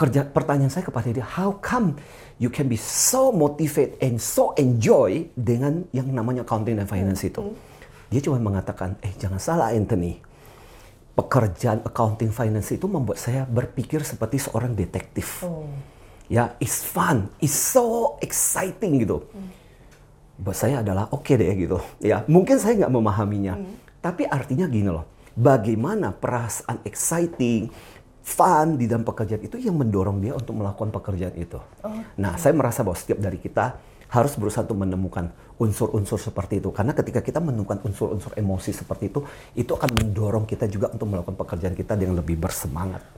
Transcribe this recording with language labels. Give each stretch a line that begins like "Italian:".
Indonesian: Pertanyaan saya kepada dia,
English: how come you can be so motivated and so enjoy
Indonesian: dengan yang namanya accounting and finance itu? Dia cuma mengatakan, jangan salah Anthony. Pekerjaan accounting finance itu membuat saya berpikir seperti seorang detektif. Ya,
English: it's fun, it's so exciting
Indonesian: gitu. Buat saya adalah okay deh gitu. Ya, mungkin saya nggak memahaminya. Tapi artinya gini loh, bagaimana perasaan exciting, fun di dalam pekerjaan itu yang mendorong dia untuk melakukan pekerjaan itu. Nah, saya merasa bahwa setiap dari kita harus berusaha untuk menemukan unsur-unsur seperti itu. Karena ketika kita menemukan unsur-unsur emosi seperti itu akan mendorong kita juga untuk melakukan pekerjaan kita dengan lebih bersemangat.